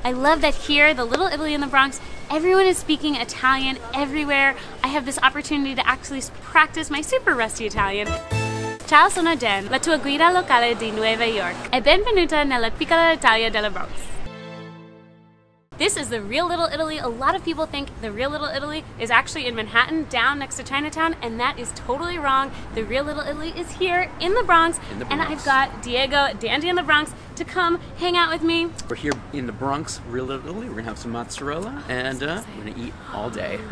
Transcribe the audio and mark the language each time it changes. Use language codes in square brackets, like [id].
[en] I love that here, the little Italy in the Bronx, everyone is speaking Italian everywhere. I have this opportunity to actually practice my super rusty Italian. [it] Ciao, sono Jen, la tua guida locale di Nueva York. E benvenuta nella piccola Italia della Bronx. [en] This is the real Little Italy. A lot of people think the real Little Italy is actually in Manhattan, down next to Chinatown, and that is totally wrong. The real Little Italy is here in the Bronx, and I've got Diego, Dandy in the Bronx, to come hang out with me. We're here in the Bronx, real Little Italy. We're gonna have some mozzarella, and we're gonna eat all day.